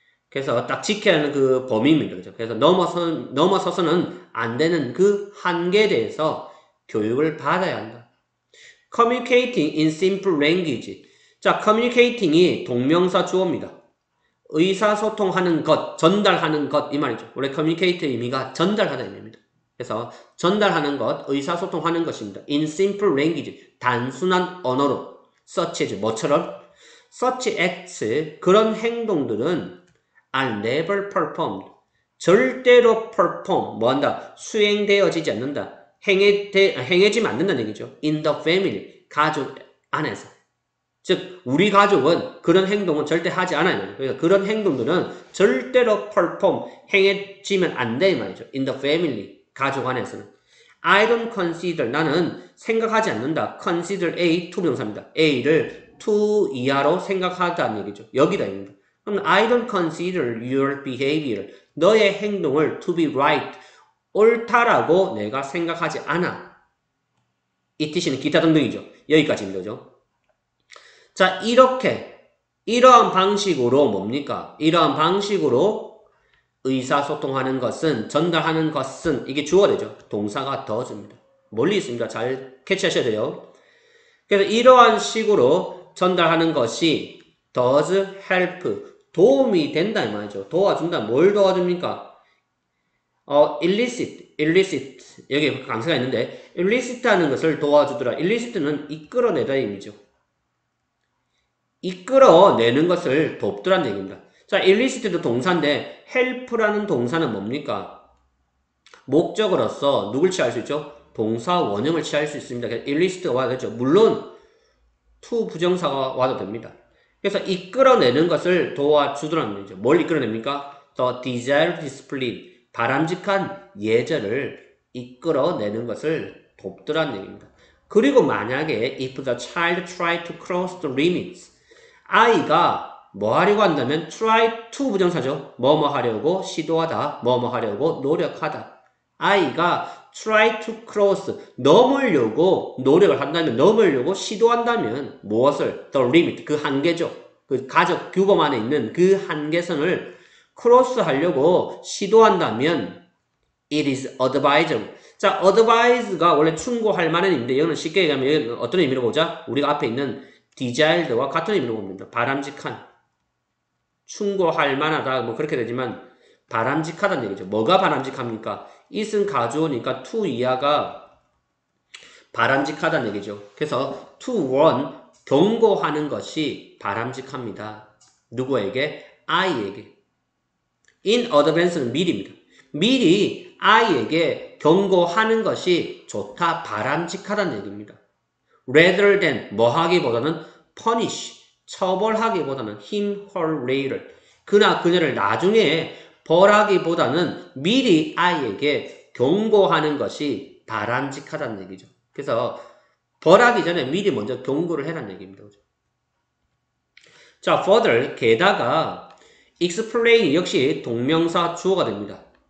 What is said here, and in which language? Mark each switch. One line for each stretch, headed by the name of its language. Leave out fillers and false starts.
Korean: 그래서 딱 지켜야 하는 그 범위입니다. 그렇죠? 그래서 넘어서서는 안 되는 그 한계에 대해서 교육을 받아야 한다.
English: Communicating in simple language. 자, communicating이
Korean: 동명사 주어입니다. 의사소통하는 것, 전달하는 것, 이 말이죠. 원래 communicate의 의미가 전달하다는 의미입니다. 그래서 전달하는 것, 의사소통하는 것입니다.
English: In simple language,
Korean: 단순한 언어로.
English: Such as,
Korean: 뭐처럼?
English: Such acts,
Korean: 그런 행동들은
English: are never performed.
Korean: 절대로 perform. 뭐 한다? 수행되어지지 않는다. 행해지면 안 된다는 얘기죠.
English: In the family.
Korean: 가족 안에서. 즉, 우리 가족은 그런 행동은 절대 하지 않아요. 그러니까 그런 행동들은 절대로 perform. 행해지면 안 돼. 말이죠.
English: In the family.
Korean: 가족 안에서는.
English: I don't consider.
Korean: 나는 생각하지 않는다. Consider A to 부정사입니다. A를 to 이하로 생각하다는 얘기죠. 여기다 입니다. 그럼
English: I don't consider your behavior,
Korean: 너의 행동을
English: to be right,
Korean: 옳다라고 내가 생각하지 않아. 이 뜻이 기타 등등이죠. 여기까지입니다. 그죠? 자, 이렇게 이러한 방식으로 뭡니까? 이러한 방식으로 의사소통하는 것은, 전달하는 것은, 이게 주어 되죠. 동사가 더어집니다. 멀리 있습니다. 잘 캐치하셔야 돼요. 그래서 이러한 식으로 전달하는 것이
English: does help,
Korean: 도움이 된다, 이 말이죠. 도와준다. 뭘 도와줍니까? illicit. 여기 강세가 있는데, illicit 하는 것을 도와주더라. illicit는 이끌어내다, 이미죠. 이끌어내는 것을 돕더란 얘기입니다. 자, illicit도 동사인데, help라는 동사는 뭡니까? 목적으로서 누굴 취할 수 있죠? 동사 원형을 취할 수 있습니다. 그래서 illicit가 와야겠죠. 물론, to 부정사가 와도 됩니다. 그래서 이끌어내는 것을 도와주더라는 거죠. 뭘 이끌어냅니까?
English: The desired discipline,
Korean: 바람직한 예절을 이끌어내는 것을 돕더라는 얘기입니다.
English: 그리고 만약에 if the child try to cross the limits,
Korean: 아이가 뭐 하려고 한다면
English: try to 부정사죠.
Korean: 뭐뭐 하려고 시도하다, 뭐뭐 하려고 노력하다. 아이가 try to cross, 넘으려고 노력을 한다면, 넘으려고 시도한다면 무엇을? The limit, 그 한계죠. 그 가족 규범 안에 있는 그 한계선을 크로스 하려고 시도한다면
English: it is advisable.
Korean: 자, advise가 원래 충고할 만한 의미인데, 이거는 쉽게 얘기하면 어떤 의미로 보자? 우리가 앞에 있는 desired와 같은 의미로 봅니다. 바람직한, 충고할 만하다, 뭐 그렇게 되지만 바람직하다는 얘기죠. 뭐가 바람직합니까? it은 가져오니까 to 이하가 바람직하다는 얘기죠. 그래서 to one, 경고하는 것이 바람직합니다. 누구에게? 아이에게. In advance는 미리입니다. 미리 아이에게 경고하는 것이 좋다, 바람직하다는 얘기입니다. Rather than, 뭐 하기보다는 punish, 처벌하기보다는 him, her, later. 그나 그녀를 나중에 벌하기보다는 미리 아이에게 경고하는 것이 바람직하다는 얘기죠. 그래서 벌하기 전에 미리 먼저 경고를 해라는 얘기입니다. 그죠? 자, further, 게다가 explain 역시 동명사 주어가 됩니다.